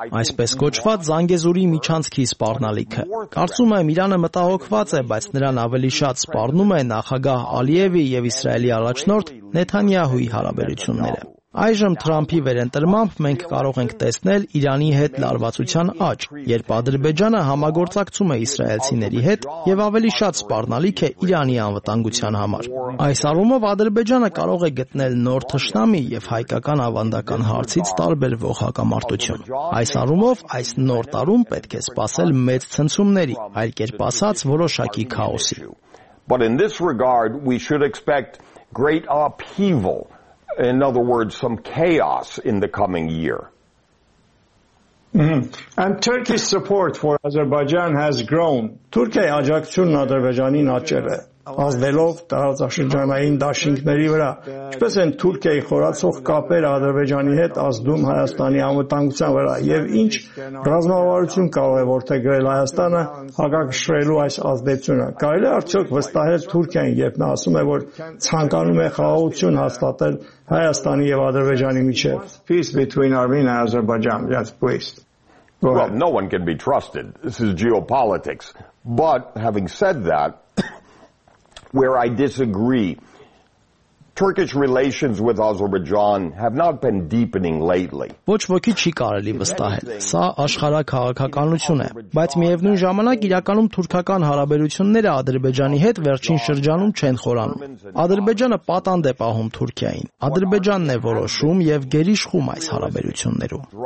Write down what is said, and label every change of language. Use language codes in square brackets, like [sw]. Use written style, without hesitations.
[hy] այսպես կոչված Զանգեզուրի միջանցքի սպառնալիքը։ Կարծում եմ, Իրանը մտահոգված է, բայց նրան ավելի շատ սպառնում է նախագահ Ալիևի եւ Իսրայելի առաջնորդ Նեթանյահուի հարաբերությունները։ Այժմ Թրամփի վերընտրմամբ մենք կարող ենք տեսնել Իրանի հետ լարվածության աճ, երբ Ադրբեջանը համագործակցում է իսրայելցիների հետ եւ ավելի շատ սպառնալիք է Իրանի անվտանգության համար։ Այս առումով Ադրբեջանը կարող է գտնել նոր թշնամի եւ հայկական ավանդական հարցից տարբերվող հակամարտություն։ Այս առումով այս նոր տարում պետք է սպասել մեծ ցնցումների, այլ կերպ ասած՝ որոշակի քաոսի։ [en] But in this regard we should expect great upheaval. In other words, some chaos in the coming year. Mm-hmm. And Turkey's support for Azerbaijan has grown. [hy] Turkey աջակցությունն Ադրբեջանի աճել է, ազդելով տարածաշրջանային դաշինքների վրա։ Ինչպես են Թուրքիայի խորացող կապեր Ադրբեջանի հետ ազդում Հայաստանի անվտանգության վրա եւ ինչ ռազմավարություն կարող է որդեգրել Հայաստանը հակակշռելու այս ազդեցությունը։ Կարելի է արդյոք վստահել Թուրքիային, երբ նա ասում է, որ ցանկանում է խաղաղություն հաստատել Հայաստանի եւ Ադրբեջանի միջեւ։ [en] Peace between Armenia and Azerbaijan. Yes, please. Well, no one can be trusted. This is geopolitics. But having said that, where I disagree, Turkish relations with Azerbaijan have not been deepening lately. [hy] Ոչ ոքի չի կարելի վստահել։ Սա աշխարհակաղակականություն է, բայց միևնույն ժամանակ իրականում թուրքական հարաբերությունները Ադրբեջանի հետ վերջին շրջանում չեն խորանում։ Ադրբեջանը պատանդ է պահում Թուրքիային։ Ադրբեջանն է որոշում եւ գերիշխում այս հարաբերություններում։